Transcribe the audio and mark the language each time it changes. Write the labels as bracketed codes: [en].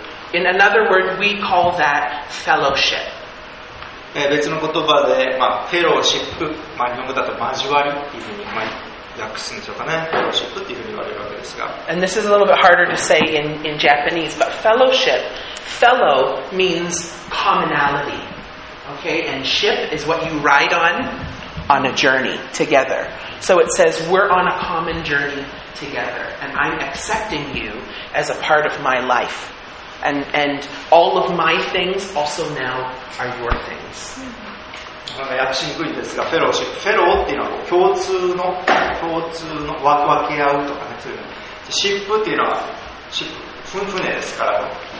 [en] In another word, we call that fellowship. [ja] 別の言葉で、まあ、フェローシップ、まあ、日本語だと交わりっていうふうに、まあ、訳すんでしょうかね。フェローシップっていうふうに言われるわけですが。 [en] And this is a little bit harder to say in Japanese, but fellowship, fellow means commonality. Okay, and ship is what you ride on a journey together. So it says we're on a common journey together, and I'm accepting you as a part of my life, and all of my things also now are your things. [ja] 訳しにくいんですが、フェローシップ、フェローっていうのは共通の分け合うとかね、そういうの。シップっていうのはシップ、船ですから、